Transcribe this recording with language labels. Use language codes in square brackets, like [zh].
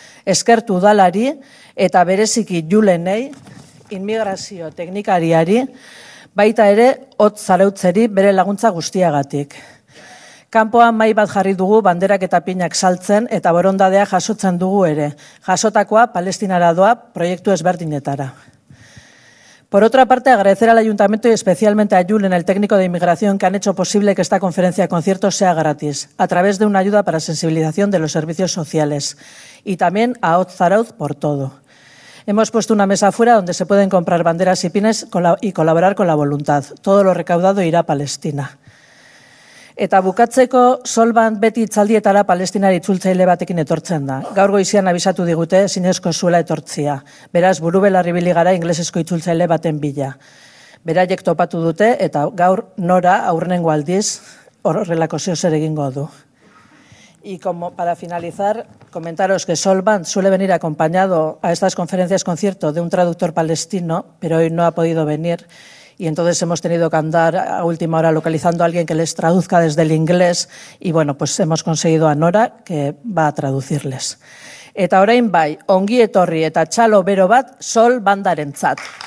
[eu] Eskertu udalari eta bereziki Julenei, inmigrazio teknikariari, baita ere Hotz Zarautzeri bere laguntza guztiagatik. Kanpoan mai bat jarri dugu banderak eta pinak saltzen eta borondadea jasotzen dugu ere. Jasotakoa Palestinara doa proiektu ezberdinetara. [es] Por otra parte, agradecer al Ayuntamiento y especialmente a Julen, el técnico de inmigración, que han hecho posible que esta conferencia de conciertos sea gratis, a través de una ayuda para sensibilización de los servicios sociales. Y también a Hotz Zarautz por todo. Hemos puesto una mesa afuera donde se pueden comprar banderas y pines y colaborar con la voluntad. Todo lo recaudado irá a Palestina. [eu] Eta bukatzeko Sol Band beti itzaldietara Palestinari itzultzaile batekin etortzen da. Gaur goizian abisatu digute zinezko zuela etortzia. Beraz, buru belarri biligara inglesezko itzultzaile baten bila. Beraiek topatu dute eta gaur nora aurrenengo aldiz horrelako zeozer egingo du. [es] Y como para finalizar, comentaros que Sol Band suele venir acompañado a estas conferencias concierto de un traductor palestino, pero hoy no ha podido venir y entonces hemos tenido que andar a última hora localizando a alguien que les traduzca desde el inglés y bueno, pues hemos conseguido a Nora que va a traducirles. [eu] Eta orain bai, ongi etorri eta txalo bero bat Sol Bandarentzat.